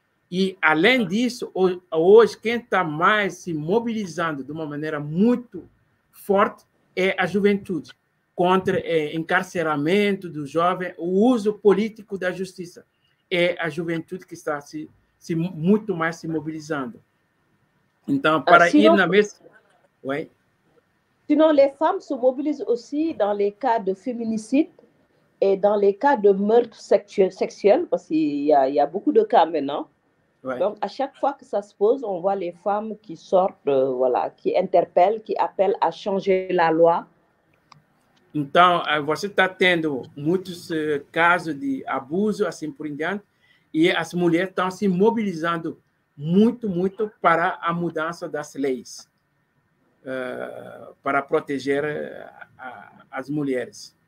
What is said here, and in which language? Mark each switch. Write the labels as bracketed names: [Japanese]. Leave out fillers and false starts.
[Portuguese] E, além disso, hoje, quem está mais se mobilizando de uma maneira muito forte é a juventude, contra o encarceramento do jovem, o uso político da justiça. É a juventude que está muito mais se mobilizando. Então, para ir na mesa... Oui? [French] Sinon, les femmes se mobilisent aussi dans les cas de féminicide et dans les cas de meurtre sexuel, parce qu'il y a beaucoup de cas maintenant. Ouais. Donc, à chaque fois que ça se pose, on voit les femmes qui sortent, voilà, qui interpellent, qui appellent à changer la loi. [Portuguese] Então, você está tendo muitos casos de abuso, assim por diante, e as mulheres estão se mobilizando muito, muito para a mudança das leis, para proteger as mulheres.